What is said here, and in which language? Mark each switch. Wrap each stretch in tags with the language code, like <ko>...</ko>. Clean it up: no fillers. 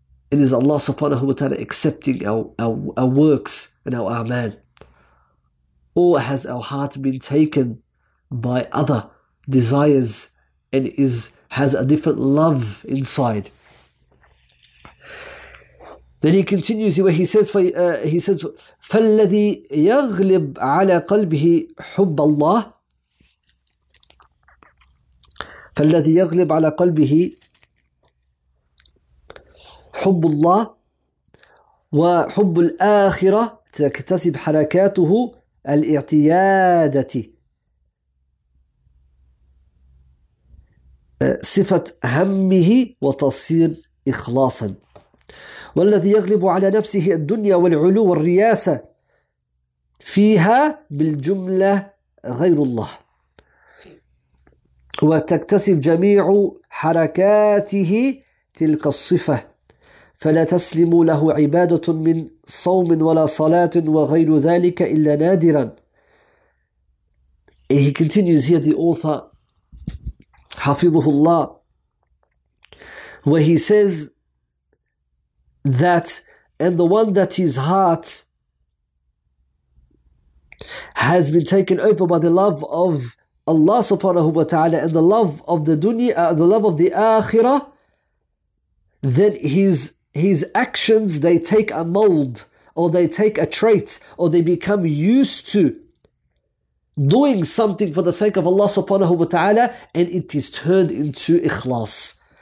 <en>And is Allah subhanahu wa ta'ala accepting our works and our a'mal? Or has our heart been taken by other desires and has a different love inside? Then he continues where he says,</en> <ar>فَالَّذِي يَغْلِبْ عَلَىٰ قَلْبِهِ حُبَّ اللَّهِ فَالَّذِي يَغْلِبْ عَلَىٰ قَلْبِهِ حب الله وحب الآخرة تكتسب حركاته الاعتيادة صفة همه وتصير إخلاصا والذي يغلب على نفسه الدنيا والعلو والرياسة فيها بالجملة غير الله وتكتسب جميع حركاته تلك الصفة فلا تسلم له عبادة من صوم ولا صلاة وغير ذلك إلا نادرا.</ar> <en>And he continues here, the author,</en> <ar>حفظه الله,</ar> <en>where he says that, and the one that his heart has been taken over by the love of Allah subhanahu wa ta'ala and the love of the dunya, the love of the akhirah, then his actions, they take a mold, or they take a trait, or they become used to doing something for the sake of Allah subhanahu wa ta'ala, and it is turned into ikhlas.</en>